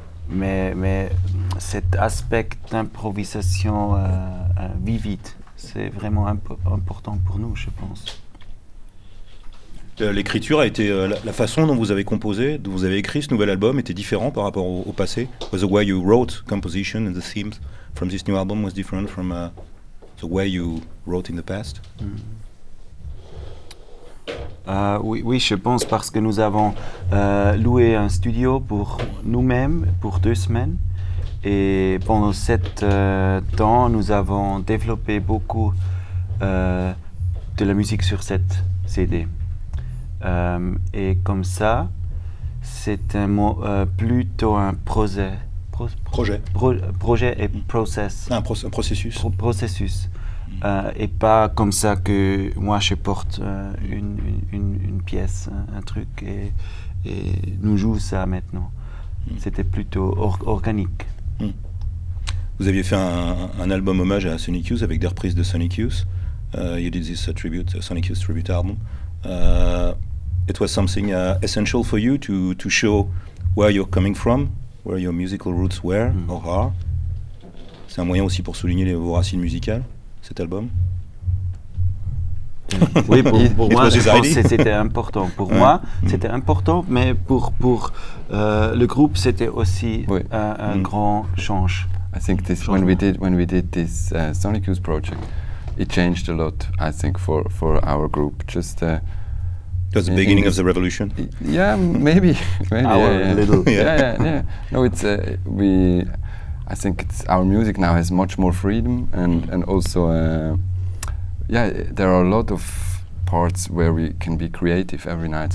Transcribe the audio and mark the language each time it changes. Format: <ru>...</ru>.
<fr>Mais cet aspect d'improvisation vivide, c'est vraiment important pour nous, je pense. L'écriture a été, la façon dont vous avez composé, dont vous avez écrit ce nouvel album était différent par rapport au passé.</fr> <en>Was the way you wrote composition and the themes from this new album was different from the way you wrote in the past?</en> <fr>Oui, je pense parce que nous avons loué un studio pour nous-mêmes pour 2 semaines. Et pendant ce temps, nous avons développé beaucoup de la musique sur cette CD. Et comme ça, c'est un plutôt un processus. Et pas comme ça que moi je porte une pièce, un truc et nous joue ça maintenant. C'était plutôt organique. Vous aviez fait un album hommage à Sonic Youth avec des reprises de Sonic Youth.</fr> <en>You did this tribute, Sonic Youth tribute album. It was something essential for you to show where you're coming from, where your musical roots were or are.</en> <fr>C'est un moyen aussi pour souligner vos racines musicales, cet album. Oui, pour moi, je pense que c'était important. Pour moi, c'était important, mais pour le groupe, c'était aussi un grand change.</fr> <en>I think this when we did this Sonic Youth project, it changed a lot. I think for our group, just. That's the beginning of the revolution. Yeah, maybe. No, it's we. I think it's our music now has much more freedom, and also, there are a lot of parts where we can be creative every night.</en>